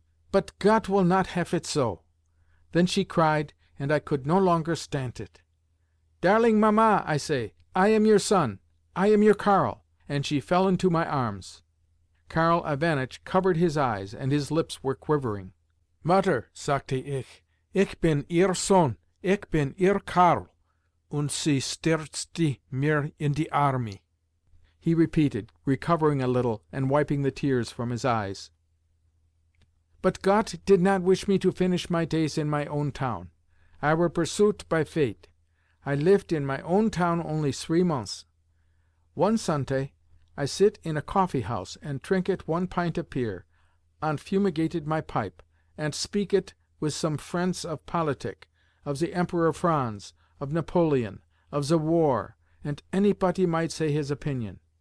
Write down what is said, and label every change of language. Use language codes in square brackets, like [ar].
[en] But God will not have it so." Then she cried, and I could no longer stand it. "Darling mamma," I say, "I am your son. I am your Karl." And she fell into my arms. Karl Ivanitch covered his eyes, and his lips were quivering. [de] "Mutter," sagte ich, "ich bin ihr Sohn, ich bin ihr Karl," und sie stürzte mir in die Arme. [en] He repeated, recovering a little and wiping the tears from his eyes. "But God did not wish me to finish my days in my own town. I were pursued by fate. I lived in my own town only 3 months. One Sunday, I sit in a coffee-house and drink it 1 pint of beer, and fumigated my pipe, and speak it with some friends of politic, of the Emperor Franz, of Napoleon, of the war, and anybody might say his opinion.